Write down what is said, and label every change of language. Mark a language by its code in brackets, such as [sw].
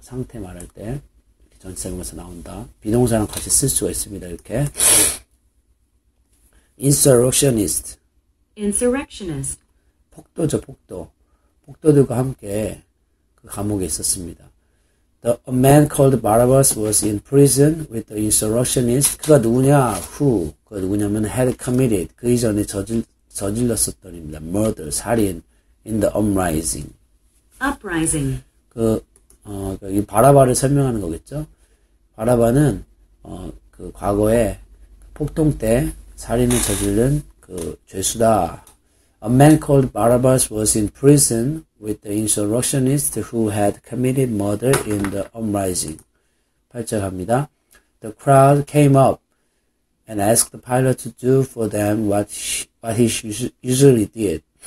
[ko] 상태 말할 때 전체 명사 나온다. 비동사랑 같이 쓸 수가 있습니다. 이렇게. [en] Insurrectionist. Insurrectionist. [ko] 폭도죠. 폭도. 폭도들과 함께 그 감옥에 있었습니다. [en] The a man called Barabbas was in prison with the insurrectionist. [ko] 그가 누구냐? [en] Who? [ko] 그가 누구냐면 [en] had committed. [ko] 그 이전에 저질렀었던 입니다. [en] Murder, [ko] 살인. [en] In the uprising. Uprising. [ko] 이 바라바를 설명하는 거겠죠? 바라바는 그 과거에 폭동 때 살인을 저지른 그 죄수다. [en] A man called Barabbas was in prison with the insurrectionist who had committed murder in the uprising. [ko] 8절 갑니다. [en] The crowd came up and asked Pilate to do for them what he usually did.